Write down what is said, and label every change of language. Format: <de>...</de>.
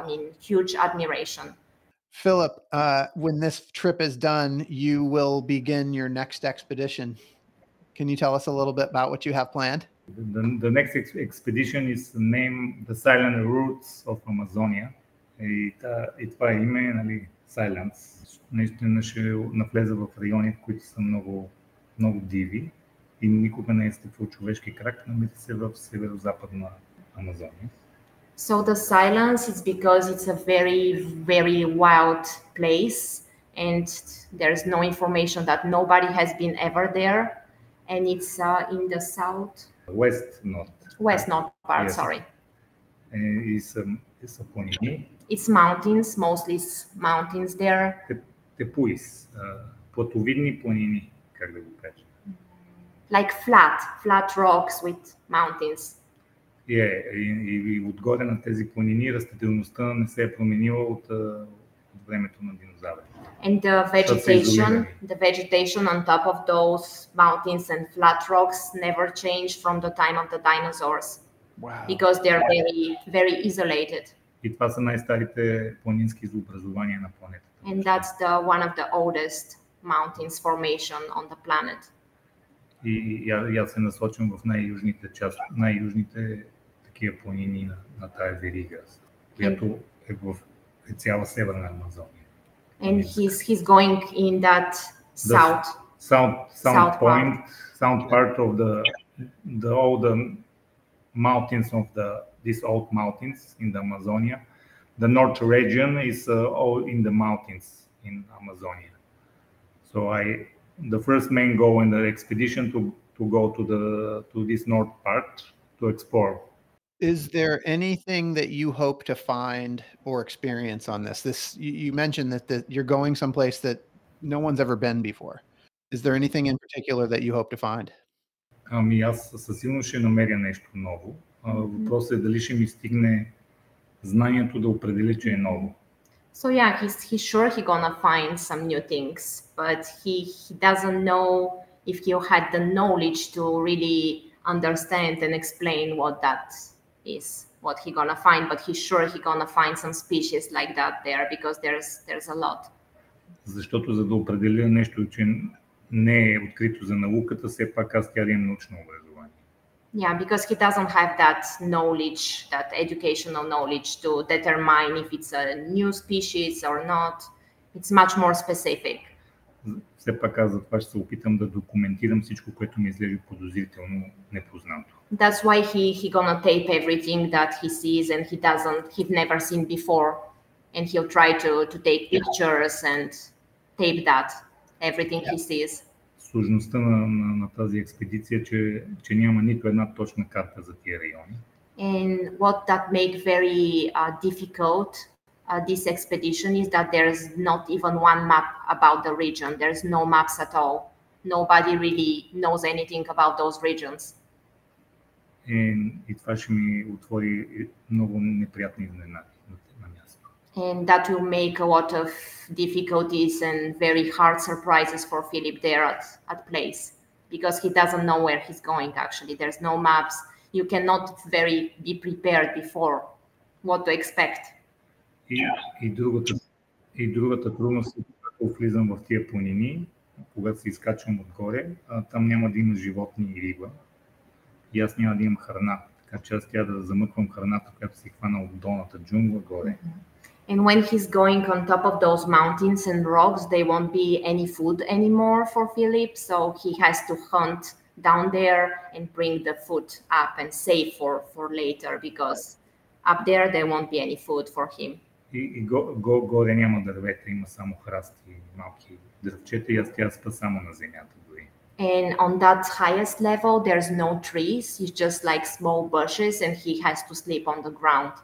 <en>I mean, huge admiration. Philip, when this trip is done, you will begin your next expedition. Can you tell us a little bit about what you have planned? The next expedition is named the Silent Roots of Amazonia. It by</en> <bg>именно</bg> <en>silence.</en> <bg>Наистина ще навлезе в райони, които са много много диви и никога не е стъпвал човешки крак, намира се в северо-западна Амазония.</bg> <en>So the silence is because it's a very, very wild place and there's no information that nobody has been ever there. And it's in the south. West, sorry. It's a pony. It's mountains, mostly mountains there.</en> <bg>Tepuis, plotovidni ponini, как да го кажа.</bg> <en>Like flat rocks with mountains.</en> <bg>И отгоре на тези планини растителността не се е променила от времето на динозаври.</bg> <en>And the vegetation on top of those mountains and flat rocks never changed from the time of the dinosaurs. Wow. Because they are very, very isolated.</en> <bg>И това са най-старите планински изобразования на планетата.</bg> <en>And that's the one of the oldest mountains formation on the planet.</en> <bg>И я се насочвам в най-южните планини на тая верига, която е в цяла северна Амазония.</bg> <en>And he's going in that south part of the old mountains of these old mountains in the Amazonia. The north region is all in the mountains in Amazonia. So the first main goal in the expedition to to go to the to this north part to explore. Is there anything that you hope to find or experience on this? You mentioned that you're going someplace that no one's ever been before. Is there anything in particular that you hope to find?</en> <bg>Ами аз със сигурност ще намеря нещо ново. Въпросът е дали ще ми стигне знанието да определя, че е ново.</bg> <en>So yeah, he's sure he's gonna find some new things, but he doesn't know if he had the knowledge to really understand and explain what that is, what he's gonna find. But he's sure he's gonna find some species like that there, because there's a lot.</en> <bg>Защото за да определя нещо, че не е открито за науката, все пак аз трябва да имам научно образование.</bg> <en>Yeah, because he doesn't have that knowledge, that educational knowledge to determine if it's a new species or not. It's much more specific.</en> <bg>Все пак аз затова ще се опитам да документирам всичко, което ми изглежда подозрително непознато.</bg> <en>That's why he gonna tape everything that he sees and he'd never seen before. And he'll try to take pictures and tape that. Everything he sees.</en> <bg>Сложността на тази експедиция, че няма нито една точна карта за тия райони.</bg> <en>And what that make very difficult this expedition is that there is not even one map about the region. There's no maps at all. Nobody really knows anything about those regions.</en> <bg>И това ще ми отвори много неприятни изненади.</bg> <en>And that will make a lot of difficulties and very hard surprises for Philip there at place, because he doesn't know where he's going, actually. There's no maps. You cannot very be prepared before what to expect.</en> <bg>И другата трудност е, когато влизам в тия планини, когато се изкачвам отгоре, там няма да има животни и риба. И аз няма да имам храна. Така че аз трябва да замъквам храната, която си хвана от долната джунгла горе.</bg> <en>And when he's going on top of those mountains and rocks, they won't be any food anymore for Philip. So he has to hunt down there and bring the food up and save for later, because up there there won't be any food for him.</en> <bg>И горе няма дървета, има само храсти и малки дървчета, и аз тя спа само на земята.</bg> <en>And on that highest level, there's no trees. It's just like small bushes, and he has to sleep on the ground.</en>